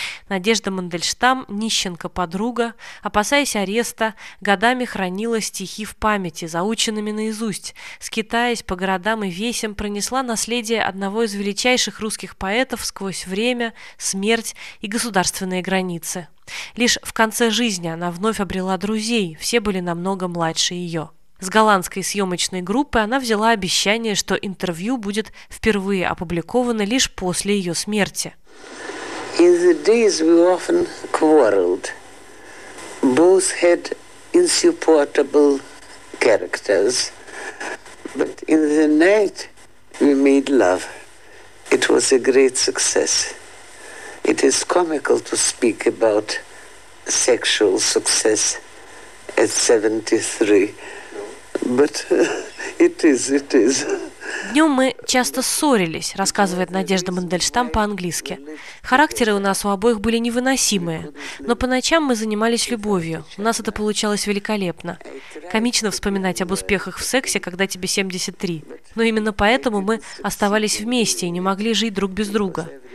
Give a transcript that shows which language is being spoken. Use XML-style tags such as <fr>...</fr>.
<ru>Надежда Мандельштам, нищенка-подруга, опасаясь ареста, годами хранила стихи в памяти, заученными наизусть, скитаясь по городам и весям, пронесла наследие одного из величайших русских поэтов сквозь время, смерть и государственные границы. Лишь в конце жизни она вновь обрела друзей, все были намного младше ее. С голландской съемочной группы она взяла обещание, что интервью будет впервые опубликовано лишь после ее смерти.</ru> <en>In the days we often quarreled, both had insupportable characters, but in the night we made love. It was a great success. It is comical to speak about sexual success at 73, but it is.</en> <ru>Днем мы часто ссорились, рассказывает Надежда Мандельштам по-английски. Характеры у нас у обоих были невыносимые, но по ночам мы занимались любовью. У нас это получалось великолепно. Комично вспоминать об успехах в сексе, когда тебе 73. Но именно поэтому мы оставались вместе и не могли жить друг без друга.</ru>